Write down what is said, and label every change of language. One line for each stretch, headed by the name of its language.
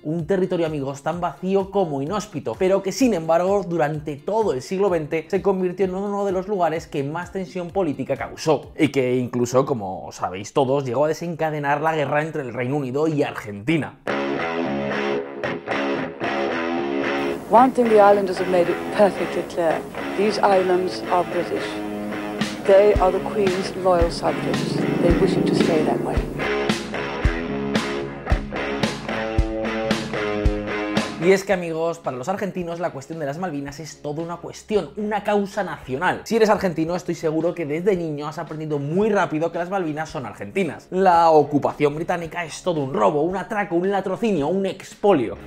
Spanish: Un territorio, amigos, tan vacío como inhóspito, pero que sin embargo, durante todo el siglo XX, se convirtió en uno de los lugares que más tensión política causó. Y que incluso, como sabéis todos, llegó a desencadenar la guerra entre el Reino Unido y Argentina.
English: One thing the islanders have made it perfectly clear. These islands are British. They are the Queen's loyal subjects. They wish it to stay that way.
Spanish: Y es que, amigos, para los argentinos la cuestión de las Malvinas es toda una cuestión, una causa nacional. Si eres argentino, estoy seguro que desde niño has aprendido muy rápido que las Malvinas son argentinas. La ocupación británica es todo un robo, un atraco, un latrocinio, un expolio.